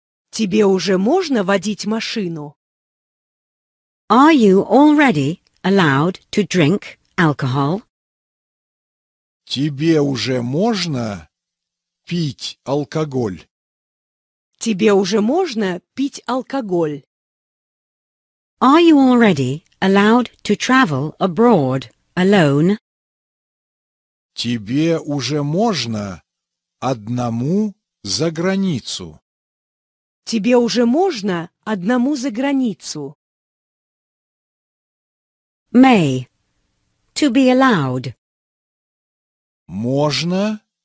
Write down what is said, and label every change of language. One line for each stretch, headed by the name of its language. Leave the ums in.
Russian: Тебе уже можно водить машину?
English: Are you already allowed to drink alcohol?
Russian: Тебе уже можно пить алкоголь? Тебе уже можно пить алкоголь?
English: Are you already allowed to travel abroad alone?
Russian: Тебе уже можно одному за границу? Тебе уже можно одному за границу?
English: May. To be allowed.
Russian: Можно,